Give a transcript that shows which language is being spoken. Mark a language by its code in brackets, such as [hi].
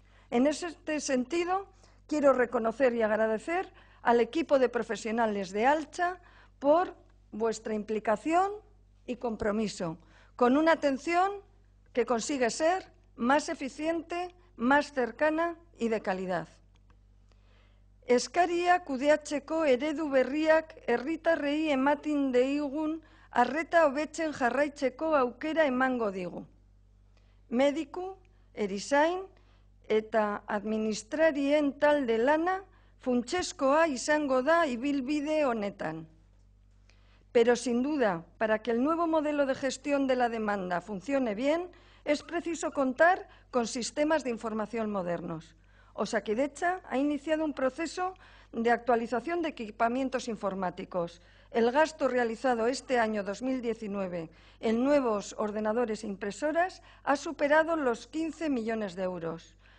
[es] En este sentido, quiero reconocer y agradecer al equipo de profesionales de Altsa por vuestra implicación y compromiso, con una atención que consigue ser más eficiente, más cercana y de calidad. [eu] Eskaria kudeatzeko eredu berriak herritarrei ematen deigun arreta hobetzen jarraitzeko aukera emango digu. Mediku, erizain eta administrarien talde lana funtsezkoa izango da ibilbide honetan. [es] Pero sin duda, para que el nuevo modelo de gestión de la demanda funcione bien, Es preciso contar con sistemas de información modernos. Osakidetza ha iniciado un proceso de actualización de equipamientos informáticos. El gasto realizado este año 2019 en nuevos ordenadores e impresoras ha superado los 15 millones de euros.